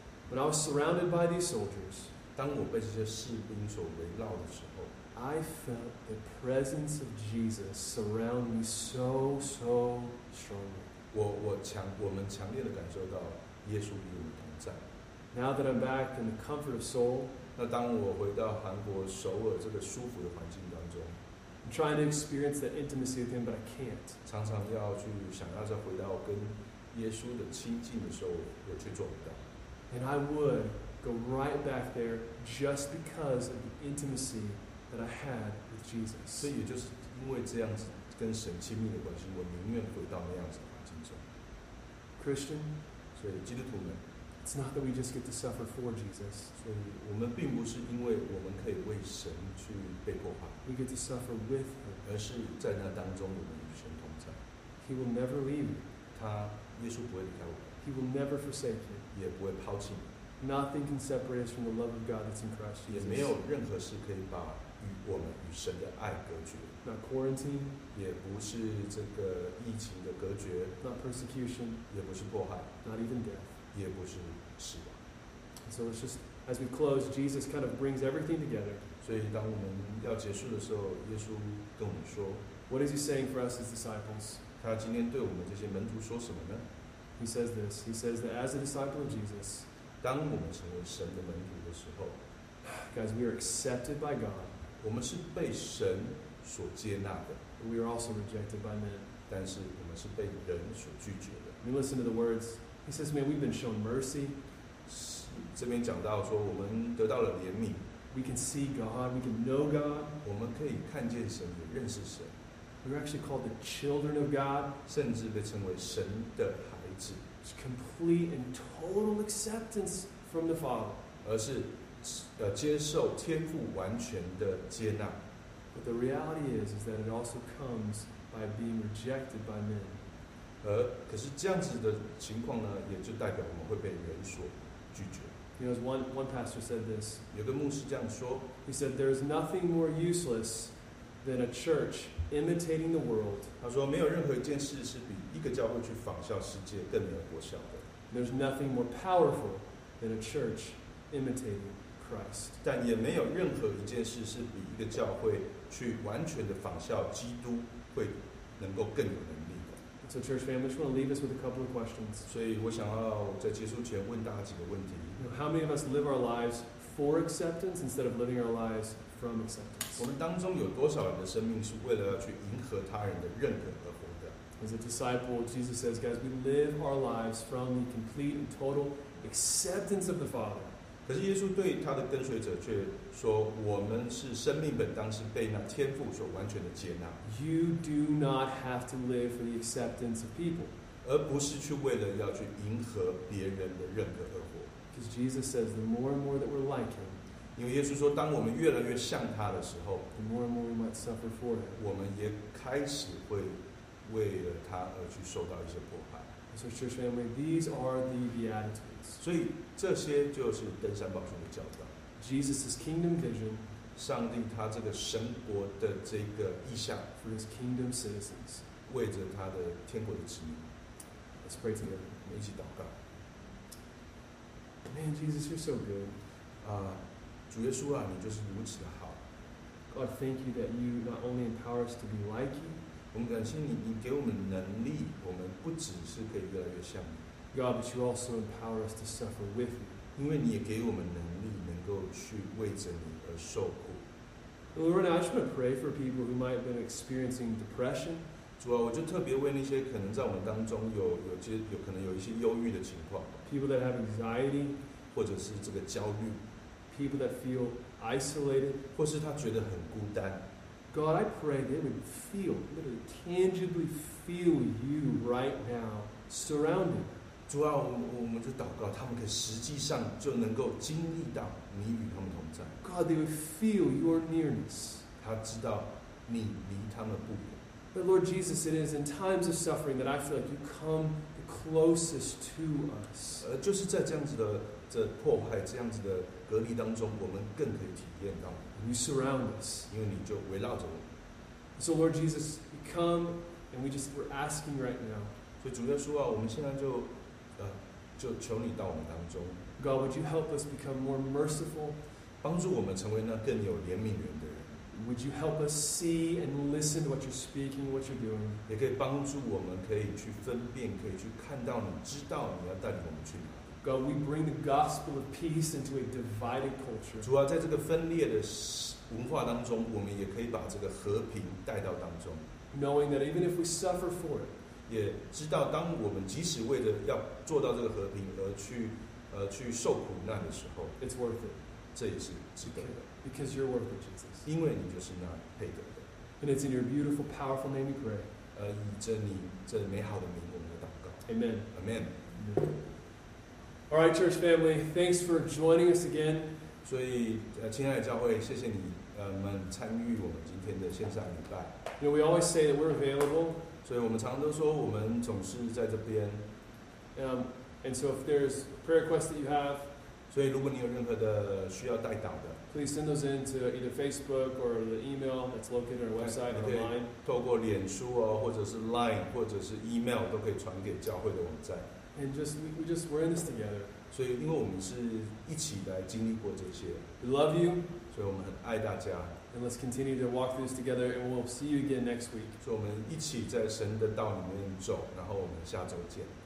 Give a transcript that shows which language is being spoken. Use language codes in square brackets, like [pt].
[en] when I was surrounded by these soldiers, [zh] 当我被这些士兵所围绕的时候， [en] I felt the presence of Jesus surround me so, so strongly. [zh] 我们强烈的感受到耶稣与我们同在。 [en] Now that I'm back in the comfort of Seoul, [zh] 那当我回到韩国首尔这个舒服的环境当中， [en] I'm trying to experience that intimacy with Him, but I can't. [zh] 常常要去想要再回到跟耶稣的亲近的时候，我却做不到。 [en] And I would go right back there just because of the intimacy that I had with Jesus. [zh] 所以也就是因为这样子跟神亲密的关系，我宁愿回到那样子。 [en] Christian, [zh] 所以基督徒们， [en] it's not that we just get to suffer for Jesus. [zh] 所以我们并不是因为我们可以为神去被迫害， [en] we get to suffer with Him. [zh] 而是在那当中我们与神同在。 [en] He will never leave you. [zh] 他耶稣不会离开我。 [en] He will never forsake you. [zh] 也不会抛弃你。 [en] Nothing can separate us from the love of God that's in Christ Jesus. [zh] 也没有任何事可以把与我们与神的爱隔绝。 [en] Not quarantine, [zh] 也不是这个疫情的隔绝。 [en] Not persecution, [zh] 也不是迫害。 [en] Not even death, [zh] 也不是死亡。 [en] And so it's just as we close, Jesus kind of brings everything together. [zh] 所以当我们要结束的时候，耶稣跟我们说， [en] What is He saying for us as disciples? [zh] 他今天对我们这些门徒说什么呢？ [en] He says this. He says that as a disciple of Jesus, [zh] 当我们成为神的门徒的时候， [en] guys, we are accepted by God. [zh] 我们是被神所接纳的， [en] we are also rejected by men. [zh] 但是我们是被人所拒绝的。 [en] You listen to the words. He says, man, we've been shown mercy. [zh] 这边讲到说，我们得到了怜悯。 [en] We can see God. We can know God. [zh] 我们可以看见神，也认识神。 [en] We're actually called the children of God. [zh] 甚至被称为神的孩子。 [en] It's complete and total acceptance from the Father. [zh] 而是，接受天父完全的接纳。 [en] But the reality is that it also comes by being rejected by men. [zh] 可是这样子的情况呢，也就代表我们会被人所拒绝。 [en] You know, one pastor said this. [zh] 有个牧师这样说。 [en] He said, "There is nothing more useless than a church imitating the world." [zh] 他说，没有任何一件事是比一个教会去仿效世界更没有果效的。 [en] There's nothing more powerful than a church imitating Christ. [zh] 但也没有任何一件事是比一个教会去完全的仿效基督会能够更有能力的。 [en] So church family, just want to leave us with a couple of questions. [zh] 所以我想要在结束前问大家几个问题。 [en] How many of us live our lives for acceptance instead of living our lives from acceptance? [zh] 我们当中有多少人的生命是为了要去迎合他人的认可而活的？ [en] As a disciple, Jesus says, guys, we live our lives from the complete and total acceptance of the Father. [zh] 可是耶稣对他的跟随者却说，我们是生命本当是被那天父所完全的接纳。 [en] You do not have to live for the acceptance of people， [zh] 而不是去为了要去迎合别人的认可而活。 [en] Because Jesus says the more and more that we're like him， [zh] 因为耶稣说当我们越来越像他的时候， [en] the more and more we might suffer for him， [zh] 我们也开始会为了他而去受到一些迫害。 [en] So church family, these are the Beatitudes. [zh] 所以这些就是登山宝训的教导。 [en] Jesus' kingdom vision, [zh] 上帝他这个神国的这个意象 [en] ，for his kingdom citizens, [zh] 为着他的天国的子民。 [en] Let's pray together. [zh] 我们一起祷告。 [en] Man, Jesus, you're so good. [zh] 啊，主耶稣啊，你就是如此的好。 [en] God, thank you that you not only empower us to be like you. [zh] 我们感谢你，你给我们能力，我们不只是可以越来越像你。 [en] God, but you also empower us to suffer with you. [zh] 因为你也给我们能力，能够去为着你而受苦。 [en] Lord, now I just want to pray for people who might have been experiencing depression. [zh] 主啊，我就特别为那些可能在我们当中有可能有一些忧郁的情况。 [en] People that have anxiety, [zh] 或者是这个焦虑。 [en] People that feel isolated, [zh] 或是他觉得很孤单。 [en] God, I pray they would feel, literally, tangibly feel you right now surrounding. [zh] 主啊，我们就祷告，他们可以实际上就能够经历到你与他们同在。 [en] God, they would feel your nearness. [zh] 他知道你离他们不远。 [en] But Lord Jesus, it is in times of suffering that I feel like you come the closest to us. [zh] 就是在这样子的这迫害、这样子的隔离当中，我们更可以体验到。 [en] You surround us. [zh] 因为你就围绕着我们。 [en] So Lord Jesus, we come and we're asking right now. [zh] 所以主耶稣啊，我们现在就求你到我们当中。 [en] God, would you help us become more merciful? [zh] 帮助我们成为那更有怜悯人的人。 [en] Would you help us see and listen to what you're speaking, what you're doing? [zh] 也可以帮助我们可以去分辨，可以去看到你，知道你要带领我们去哪。 [en] God, we bring the gospel of peace into a divided culture. [zh] 主啊，在这个分裂的文化当中，我们也可以把这个和平带到当中。 [en] Knowing that even if we suffer for it, [zh] 也知道当我们即使为了要做到这个和平而去受苦难的时候， [en] it's worth it. [zh] 这也是值得的。 [en] Because you're worth it, Jesus. [zh] 因为你就是那配得的。 [en] And it's in your beautiful, powerful name we pray. [zh] 以着你这美好的名，我们的祷告。 [en] Amen. Amen. Amen. All right, church family, thanks for joining us again. [zh] 所以，亲爱的教会，谢谢你们参与我们今天的线上礼拜。 [en] You know, we always say that we're available. [zh] 所以我们常常都说我们总是在这边。 [en] And so if there's prayer requests that you have, [zh] 所以如果你有任何的需要代祷的， [en] please send those in to either Facebook or the email that's located on our website or online. [zh] 透过脸书啊，或者是 Line， 或者是 email， 都可以传给教会的网站。 [en] And just we we're in this together. [zh] 所以因为我们是一起来经历过这些。 [en] We love you. [zh] 所以我们很爱大家。 [en] And let's continue to walk through this together, and we'll see you again next week. [zh] 所以我们一起在神的道里面走，然后我们下周见。